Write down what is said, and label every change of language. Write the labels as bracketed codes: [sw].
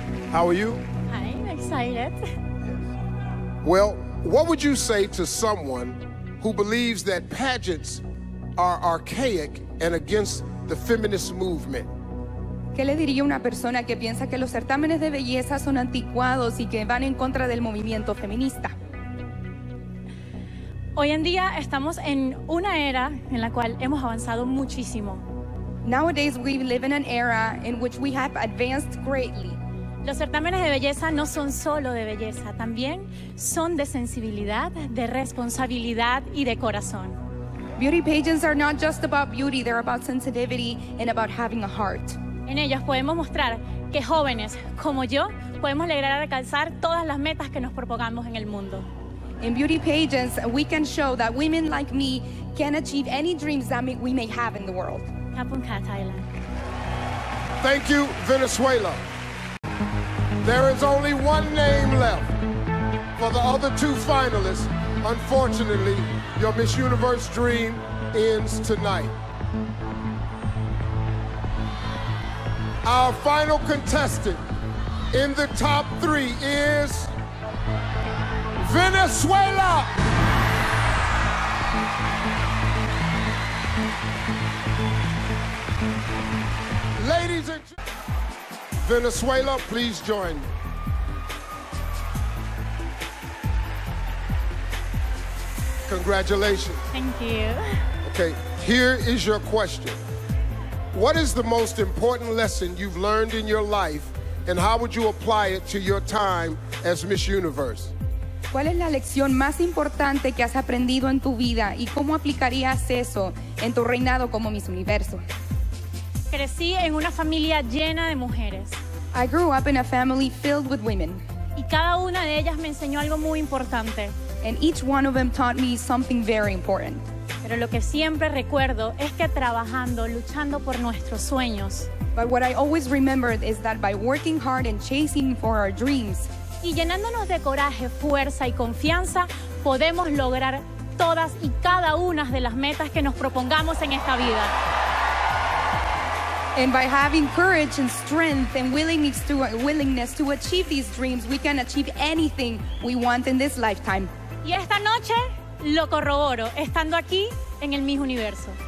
[en] How are you? I'm excited. Well, what would you say to someone who believes that pageants are archaic and against the feminist movement? [es] ¿Qué le diría a una persona que piensa que los certámenes de belleza son anticuados y que van en contra del movimiento feminista? Hoy en día estamos en una era en la cual hemos avanzado muchísimo. [en] Nowadays we live in an era in which we have advanced greatly. [es] Los certámenes de belleza no son solo de belleza, también son de sensibilidad, de responsabilidad y de corazón. [en] Beauty pageants are not just about beauty, they're about sensitivity and about having a heart. [es] En ellas podemos mostrar que jóvenes como yo podemos lograr alcanzar todas las metas que nos propongamos en el mundo. [en] In beauty pageants, we can show that women like me can achieve any dreams that we may have in the world. Thank you, Venezuela. There is only one name left for the other two finalists. Unfortunately, your Miss Universe dream ends tonight. Our final contestant in the top three is Venezuela. Ladies and gentlemen, Venezuela, please join me. Congratulations. Thank you. Okay, here is your question. What is the most important lesson you've learned in your life, and how would you apply it to your time as Miss Universe? [es] ¿Cuál es la lección más importante que has aprendido en tu vida y cómo aplicarías eso en tu reinado como Miss Universo? Crecí en una familia llena de mujeres. [en] I grew up in a family filled with women. [es] Y cada una de ellas me enseñó algo muy importante. [en] And each one of them taught me something very important. [es] Pero lo que siempre recuerdo es que trabajando, luchando por nuestros sueños. [en] But what I always remembered is that by working hard and chasing for our dreams. [es] Y llenándonos de coraje, fuerza y confianza, podemos lograr todas y cada una de las metas que nos propongamos en esta vida. [en] And by having courage and strength and willingness to achieve these dreams, we can achieve anything we want in this lifetime. [es] Y esta noche lo corroboro estando aquí en el Miss Universo.